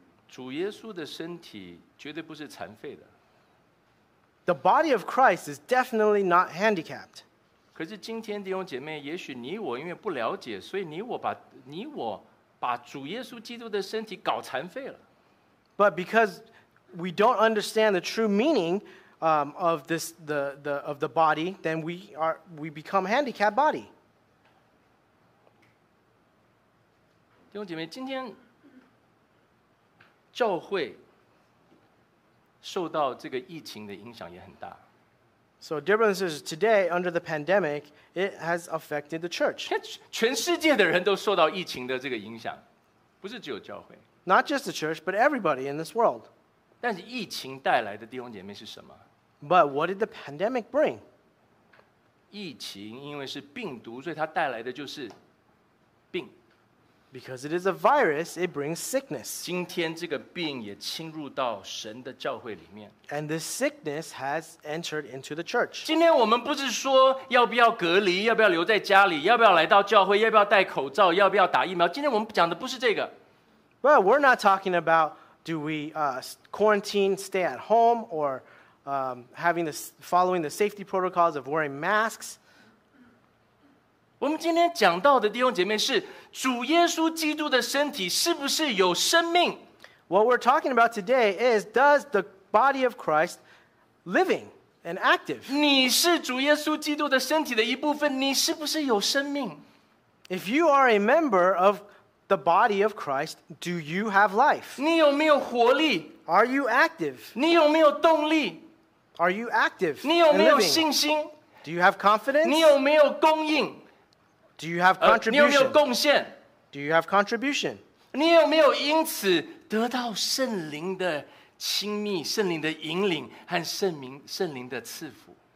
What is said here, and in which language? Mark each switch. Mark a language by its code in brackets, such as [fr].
[zh] 主耶稣的身体绝对不是残废的。 [en] The body of Christ is definitely not handicapped. [zh] 可是今天弟兄姐妹，也许你我因为不了解，所以你我把主耶稣基督的身体搞残废了。 [en] But because we don't understand the true meaning of this the of the body, then we become handicapped body. [zh] 弟兄姐妹，今天教会受到这个疫情的影响也很大。 [en] So, dear brothers and sisters, today, under the pandemic, it has affected the church. [zh] 全世界的人都受到疫情的这个影响，不是只有教会。 [en] Not just the church, but everybody in this world. [zh] 但是疫情带来的弟兄姐妹是什么？ [en] But what did the pandemic bring? [zh] 疫情因为是病毒，所以它带来的就是病。 [en] Because it is a virus, it brings sickness. [zh] 今天这个病也侵入到神的教会里面。 [en] And this sickness has entered into the church. [zh] 今天我们不是说要不要隔离，要不要留在家里，要不要来到教会，要不要戴口罩，要不要打疫苗。今天我们讲的不是这个。 [en] Well, we're not talking about do we quarantine, stay at home, or having this, following the safety protocols of wearing masks? [zh] 我们今天讲到的弟兄姐妹是主耶稣基督的身体是不是有生命？ [en] What we're talking about today is, does the body of Christ living and active? [zh] 你是主耶稣基督的身体的一部分，你是不是有生命？ [en] If you are a member of the body of Christ, do you have life? [zh] 你有没有活力？ [en] Are you active? [zh] 你有没有动力？ [en] Are you active? [zh] 你有没有信心？ [en] Do you have confidence? [zh] 你有没有供应？ [en] Do you have contribution? [zh] 你有没有贡献? [en] Do you have contribution? [zh] 你有没有因此得到圣灵的亲密、圣灵的引领和圣灵的赐福?